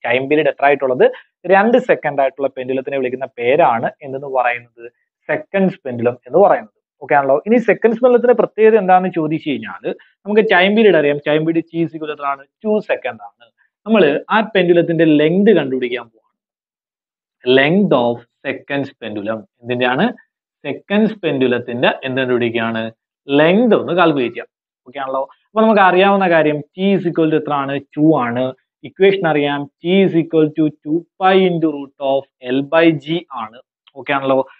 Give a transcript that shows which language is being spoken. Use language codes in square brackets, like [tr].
[ml] Time period എത്ര ആയിട്ടുള്ളത്, 2 second ആയിട്ടുള്ള പെൻഡുലത്തിനെ വിളിക്കുന്ന പേരാണ് എന്തെന്ന് പറയുന്നത്, സെക്കൻഡ്സ് പെൻഡുലം എന്ന് പറയുന്നത്. ഓക്കെ ആണല്ലോ. ഇനി സെക്കൻഡ്സ് പെൻഡുലത്തിന്റെ പ്രത്യേകത എന്താണെന്ന് ചോദിച്ചു കഴിഞ്ഞാൽ, നമുക്ക് ടൈം പീരീഡ് അറിയാം. Time period T equal to 2 second ആണ്. നമ്മൾ ആ പെൻഡുലത്തിന്റെ ലെങ്ത് കണ്ടുപിടിക്കാൻ പോകും. [en] Length of second pendulum. [ml] എന്തിൻ്റെയാണ്, second പെൻഡുലത്തിന്റെ എന്തെന്ന് പിടിക്കുകയാണ്, ലെങ്ത് ഒന്ന് കാൽക്കുലേറ്റ് ചെയ്യാം. ഓക്കെ ആണല്ലോ. അപ്പൊ നമുക്ക് അറിയാവുന്ന കാര്യം ടി ഈസ് ഇക്വൽ ടു എത്രയാണ്, 2 ആണ്. ഇക്വേഷൻ അറിയാം, T is equal to 2 pi into root of L by G ആണ്. ഓക്കെ ആണല്ലോ.